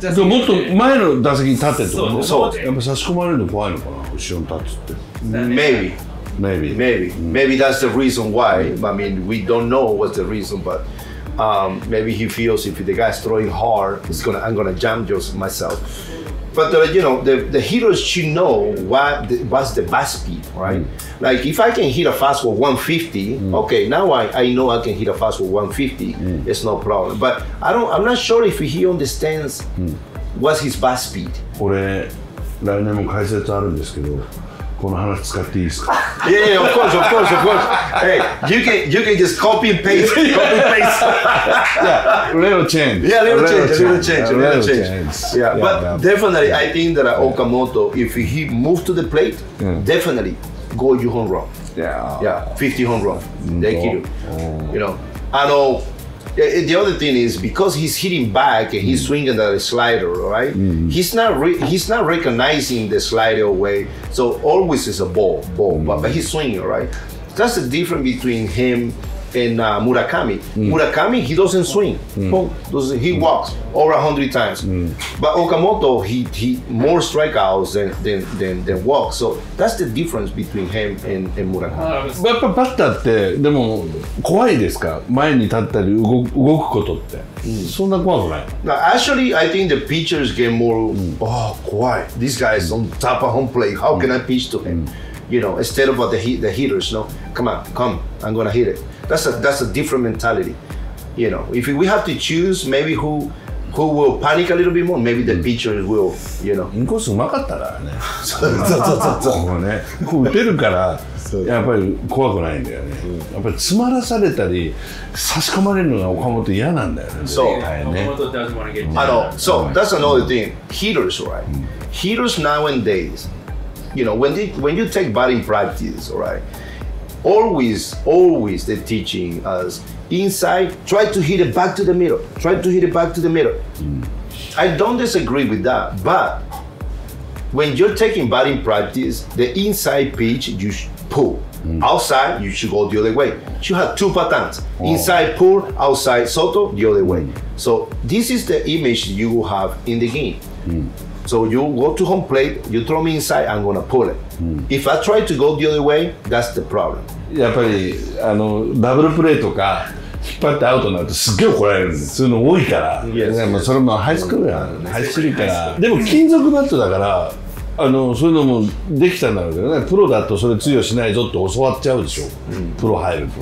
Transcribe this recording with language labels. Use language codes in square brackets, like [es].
[ja] でももっと前の打席に立ってとかね。そう。やっぱ差し込まれるの怖いのかな、後ろに立つって。 [en] Maybe. Maybe that's the reason why. I mean, we don't know what's the reason, but maybe he feels if the guy's throwing hard, I'm gonna jump just myself. But you know, the hitters should know what's the bat speed, right? Like if I can hit a fastball 150, okay, now I know I can hit a fastball 150, it's no problem. But I'm not sure if he understands what's his bat speed. [ja] これ、来年も解説あるんですけど、この話使っていいですか? [en] Yeah, of course. Hey, you can just copy and paste. Yeah, little change. Yeah, but definitely, I think that Okamoto, if he moves to the plate, definitely go your home run. Yeah. Yeah, 50 home run. Thank you. You know, I know, the other thing is because he's hitting back and he's swinging that slider, right? He's not recognizing the slider away. So always it's a ball, but he's swinging, right? That's the difference between him and Murakami. Murakami, he doesn't swing. He walks over 100 times. But Okamoto, he more strikeouts than walks. So that's the difference between him and Murakami. [ja] やっぱバッターってでも怖いですか?前に立ったり動くことって。そんな怖くない? [en] Now, actually, I think the pitchers get more, oh, 怖い。 This guy is on top of home plate. How can I pitch to him? You know, instead of the hitters, no? Come on, I'm gonna hit it. That's a different mentality. You know, if we have to choose maybe who will panic a little bit more, maybe the pitcher will, you know. [ja] インコースうまかったからね。そうそうそうそう。ね、打てるから、やっぱり怖くないんだよね。やっぱり詰まらされたり、差し込まれるのが岡本嫌なんだよね。そう。 [en] 岡本doesn't want to get down. So, that's another thing. Hitters, right? Hitters nowadays, you know, when you take batting practice, right? Always, always they're teaching us inside, try to hit it back to the middle. Try to hit it back to the middle. I don't disagree with that, but when you're taking batting practice, the inside pitch you should pull. Outside, you should go the other way. You have two patterns. Inside, pull. Outside, soto, the other way. So this is the image you will have in the game. So you go to home plate, you throw me inside, I'm gonna pull it. If I try to go the other way, that's the problem. [ja] やっぱりあのダブルプレーとか引っ張ってアウトになるとすっげえ怒られるんです。そういうの多いから。 [en] Yes, yes. [ja] まあそれもハイスクールやん。ハイスクールから。でも金属バットだからあのそういうのもできたんだろうけどね。プロだとそれ通用しないぞって教わっちゃうでしょ。プロ入ると。